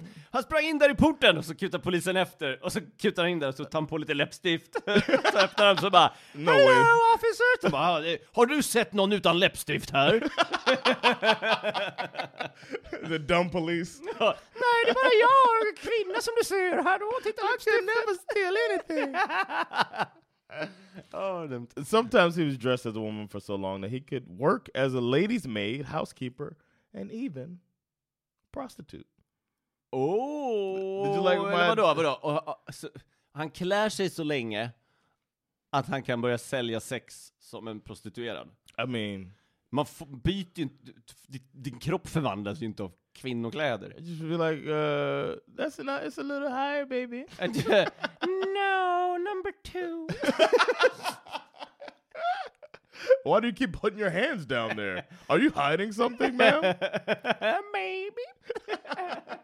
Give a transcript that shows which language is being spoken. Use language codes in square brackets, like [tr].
[sv] han sprang in där i porten och så kutade polisen efter. Och så kutade han in där och så tar han på lite läppstift. så öppnade han så bara... [en] No way. Hello, officer! [sv] Så bara, har du sett någon utan läppstift här? [en] The dumb police. [sv] Nej, det är bara jag och kvinna som du ser. Här då, titta på läppstiftet. [en] I can never steal anything. Oh, sometimes he was dressed as a woman for so long that he could work as a lady's maid, housekeeper, and even prostitute. Oh, did you like my... [sv] vadå? Han klär sig så länge att han kan börja sälja sex som en prostituerad. [en] I mean... [sv] Man byter ju inte... Din kropp förvandlas ju inte av kvinnokläder. [en] I just be like, that's not, it's a little higher, baby. No, number two. Why do you keep putting your hands down there? Are you hiding something, ma'am? Maybe.